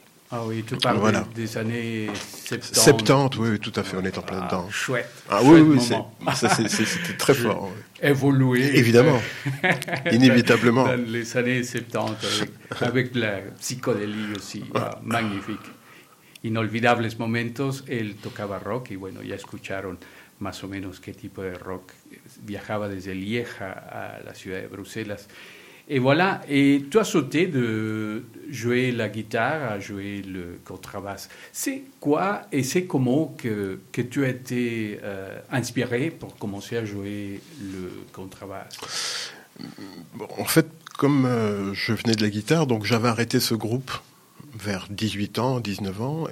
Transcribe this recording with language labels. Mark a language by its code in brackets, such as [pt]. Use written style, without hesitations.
[fr] Ah oui, tu parles des années 70. 70, oui, tout à fait, on est en plein dedans. Chouette. Ah chouette, oui, c'était très fort. Oui. Évolué. Évidemment, inévitablement. Dans les années 70, avec la psychodélie aussi, magnifique. [es] Inolvidables momentos, él tocaba rock y bueno, ya escucharon más o menos qué tipo de rock. Viajaba desde Lieja a la ciudad de Bruselas. [fr] Et voilà, et tu as sauté de jouer la guitare à jouer le contrebasse. C'est quoi et c'est comment que tu as été inspiré pour commencer à jouer le contrebasse? En fait, comme je venais de la guitare, donc j'avais arrêté ce groupe vers 18 ans, 19 ans.